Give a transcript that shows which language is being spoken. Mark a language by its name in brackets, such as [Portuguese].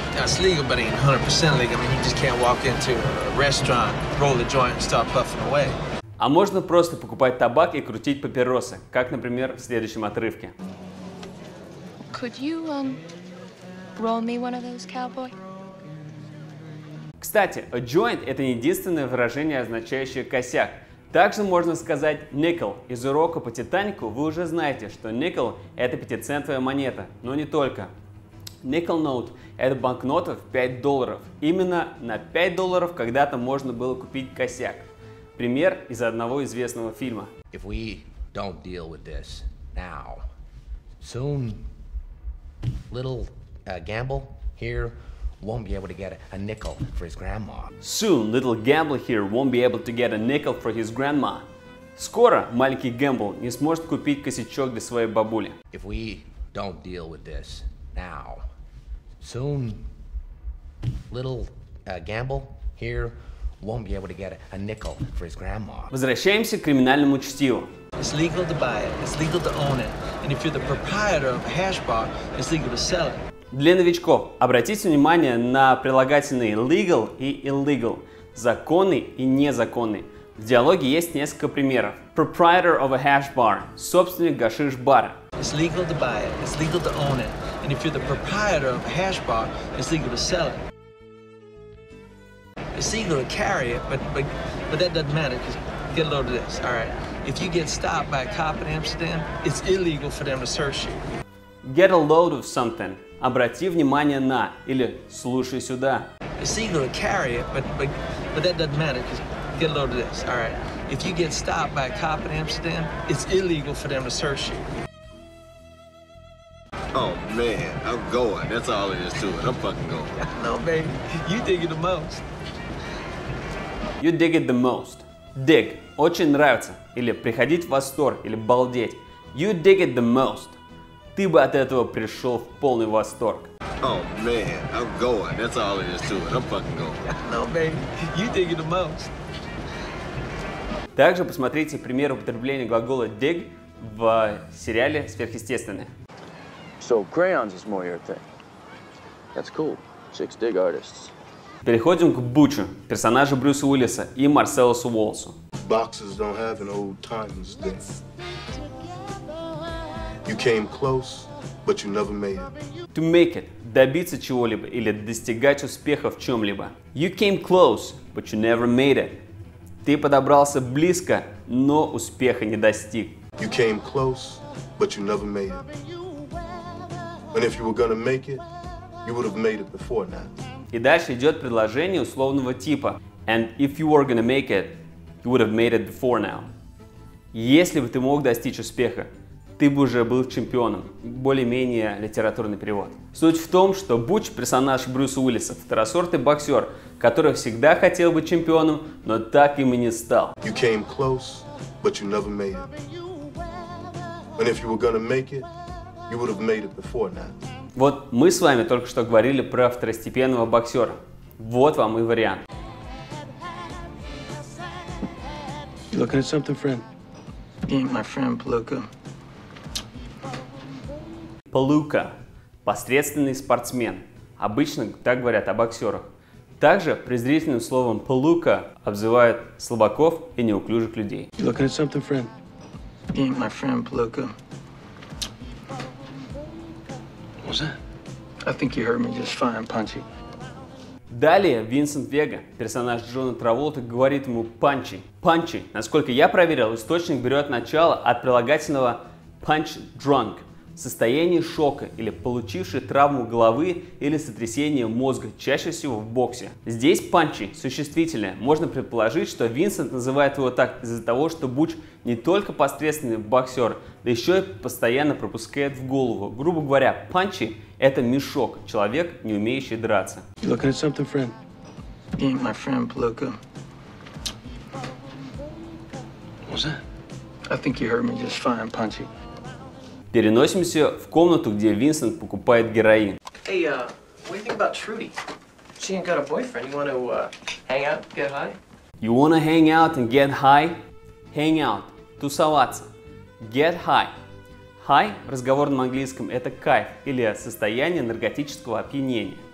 [English] Yeah, it's legal, but it ain't 100% legal. I mean, you just can't walk into a restaurant, roll a joint, and start puffing away. [Russian] А можно просто покупать табак и крутить папиросы, как, например, в следующем отрывке. [English] Could you roll me one of those, cowboy? [Russian] Кстати, a joint – это не единственное выражение, означающее косяк. Также можно сказать nickel. Из урока по Титанику вы уже знаете, что nickel – это 5-центовая монета, но не только. Nickel note – это банкнота в 5 долларов. Именно на 5 долларов когда-то можно было купить косяк. Пример из одного известного фильма. [English] If we don't deal with this now, soon little gamble here won't be able to get a nickel for his grandma. Soon, little gamble here won't be able to get a nickel for his grandma. Скоро маленький гэмбл не сможет купить косячок для своей бабули. If we don't deal with this now, soon little gamble here won't be able to get a nickel for his grandma. [Russian] Возвращаемся к криминальному чтиву. [English] It's legal to buy it, it's legal to own it. And if you're the proprietor of a hash bar, it's legal to sell it. [Russian] Для новичков обратите внимание на прилагательные legal и illegal, законный и незаконный. В диалоге есть несколько примеров. [English] Proprietor of a hash bar, [Russian] собственник гашиш бара. [English] It's legal to buy it, it's legal to own it. And if you're the proprietor of a hash bar, it's legal to sell it. It's legal to carry it, but that doesn't matter, because get a load of this, all right. If you get stopped by a cop in Amsterdam, it's illegal for them to search you. Get a load of something. [Russian] Обрати внимание на или слушай сюда. [English] It's legal to carry it, but that doesn't matter, because get a load of this, all right. If you get stopped by a cop in Amsterdam, it's illegal for them to search you. Oh man, I'm going. That's all it is to it. I'm fucking going. No, baby, you dig it the most. You dig it the most. Dig. [Russian] Очень нравится. Или приходить в восторг, или балдеть. [English] You dig it the most. [Russian] Ты бы от этого пришел в полный восторг. [English] Oh man, I'm going. That's all it is to it. I'm fucking going. No, baby, you dig it the most. [Russian] Также посмотрите пример употребления глагола dig в сериале «Сверхъестественное». [English] So crayons is more your thing. That's cool. Six dig artists. [Russian] Переходим к Бучу, персонажу Брюса Уиллиса и Марселосу Уоллесу. [English] Boxes don't have an old timeless thing. You came close, but you never made it. To make it [Russian] – добиться чего-либо или достигать успеха в чем-либо. [English] You came close, but you never made it. [Russian] Ты подобрался близко, но успеха не достиг. [English] You came close, but you never made it. And if you were gonna make it, you would have made it before now. [Russian] И дальше идет предложение условного типа. [English] And if you were gonna make it, you would have made it before now. [Russian] Если бы ты мог достичь успеха, ты бы уже был чемпионом. Более-менее литературный перевод. Суть в том, что Буч, персонаж Брюса Уиллиса, второсортный боксер, который всегда хотел быть чемпионом, но так им и не стал. [English] You came close, but you never made it. And if you were gonna make it, you would have made it before now. [Russian] Вот мы с вами только что говорили про второстепенного боксера. Вот вам и вариант. [English] You looking at something, friend? Ain't my friend Palooka. [Russian] Palooka – посредственный спортсмен. Обычно так говорят о боксерах. Также презрительным словом Palooka обзывают слабаков и неуклюжих людей. [English] You looking at something, friend? Ain't my friend Palooka. What was that? I think you heard me just fine, Punchy. [Russian] Далее Винсент Вега, персонаж Джона Траволты, говорит ему «панчи». «Панчи». Насколько я проверил, источник берет начало от прилагательного «punch drunk» – состояние шока или получивший травму головы или сотрясение мозга, чаще всего в боксе. Здесь «панчи» – существительное. Можно предположить, что Винсент называет его так из-за того, что Буч не только посредственный боксер, да еще и постоянно пропускает в голову. Грубо говоря, «панчи» – это мешок, человек, не умеющий драться. [English] You looking at something, friend? You ain't my friend, Palooka. What's that? I think you heard me just fine, Punchy. [Russian] Переносимся в комнату, где Винсент покупает героин. [English] Hey, what do you think about Trudy? She ain't got a boyfriend. You wanna hang out, get high? You wanna hang out and get high? Hang out – [Russian] тусоваться. [English] Get high. [Russian] High в разговорном английском – это кайф или состояние наркотического опьянения.